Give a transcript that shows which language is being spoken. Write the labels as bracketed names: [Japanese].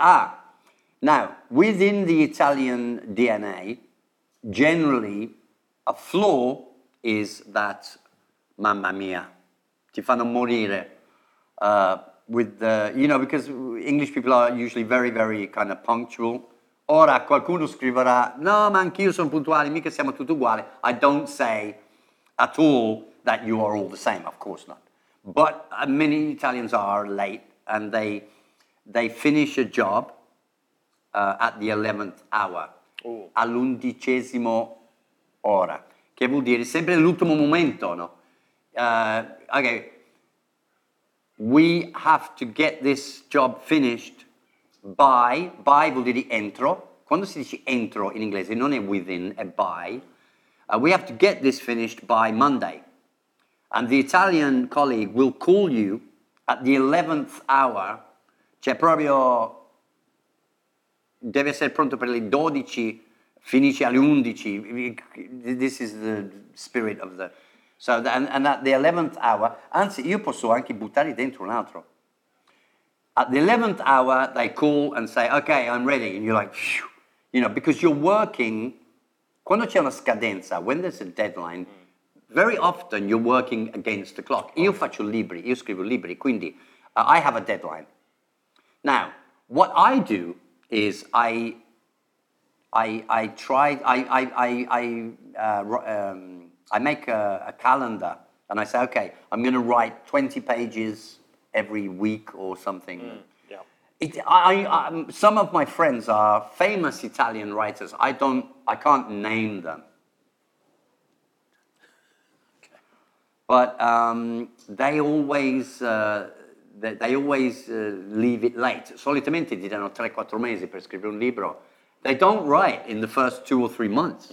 [English] Ah, now, within the Italian DNA, generally, a flaw is that, [Italian] mamma mia, ti fanno morire. [English] You know, because English people are usually very, very kind of punctual. [Italian] Ora qualcuno scriverà, no, ma anch'io sono puntuale, mica siamo tutti uguali. [English] I don't say at all that you are all the same, of course not. But many Italians are late, and they finish a job at the 11th hour, ooh, [Italian] all'undicesimo ora, che vuol dire sempre l'ultimo momento, no? [English] Okay, we have to get this job finished by [Italian] vuol dire entro. Quando si dice entro in inglese non è within, è by. [English] We have to get this finished by Monday. And the Italian colleague will call you at the 11th hour. [Italian] Cioè proprio deve essere pronto per le 12, finisce alle 11. [English] This is the spirit of the... So, and at the 11th hour, [Italian] anzi, io posso anche buttare dentro un altro. [English] At the 11th hour, they call and say, okay, I'm ready. And you're like, phew. You know, because you're working, [Italian] quando c'è una scadenza, [English] when there's a deadline, very often you're working against the clock. [Italian] Io faccio libri, io scrivo libri, quindi [English] I have a deadline. Now, what I do is I make a calendar and I say, okay, I'm going to write 20 pages every week or something. Mm, yeah. Some of my friends are famous Italian writers. I can't name them. But they always leave it late. [Italian] Solitamente ti danno 3-4 mesi per scrivere un libro. [English] They don't write in the first 2 or 3 months.